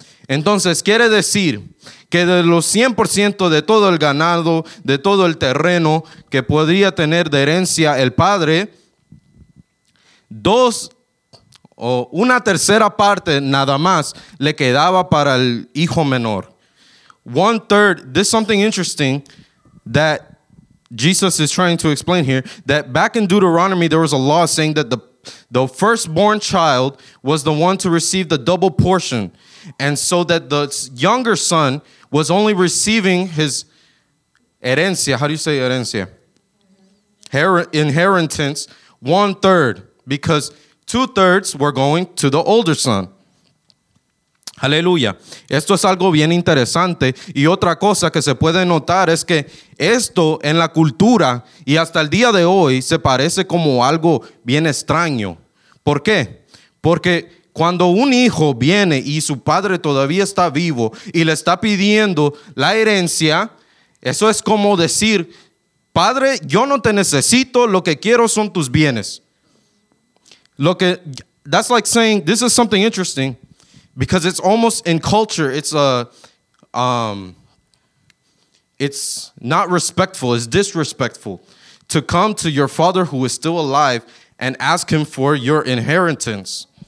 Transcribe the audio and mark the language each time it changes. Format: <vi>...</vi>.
<es>Entonces, quiere decir que de los 100% de todo el ganado, de todo el terreno que podría tener de herencia el padre, una tercera parte nada más le quedaba para el hijo menor.</es> <en>One third, this is something interesting that Jesus is trying to explain here, that back in Deuteronomy, there was a law saying that the firstborn child was the one to receive the double portion. And so that the younger son was only receiving his herencia. How do you say herencia? Inheritance, one third, because two thirds were going to the older son.</en> <es>Aleluya. Esto es algo bien interesante. Y otra cosa que se puede notar es que esto en la cultura y hasta el día de hoy se parece como algo bien extraño. ¿Por qué? Porque cuando un hijo viene y su padre todavía está vivo y le está pidiendo la herencia, eso es como decir, padre, yo no te necesito, lo que quiero son tus bienes.</es> <en>That's like saying, this is something interesting, because it's almost in culture, it's not respectful, it's disrespectful to come to your father who is still alive and ask him for your inheritance.</en>